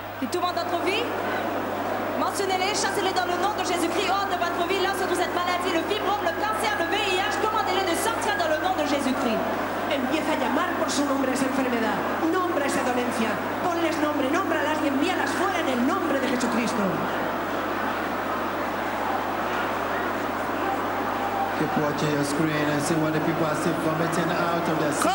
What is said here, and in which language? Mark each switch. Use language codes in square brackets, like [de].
[fr] Et tout le monde d'entre vous, mentionnez-les, chassez-les dans le nom de Jésus-Christ, hors de votre vie, là où se trouve cette maladie, le fibrome, le cancer, le VIH, commandez-les de sortir dans le nom de Jésus-Christ. [es] Empieza a llamar por su nombre esa enfermedad, nombra esa dolencia, ponles nombre, nómbralas y envíalas fuera en el nombre de Jesucristo. [en] Keep watching your screen and see what the people are still vomiting out of their system.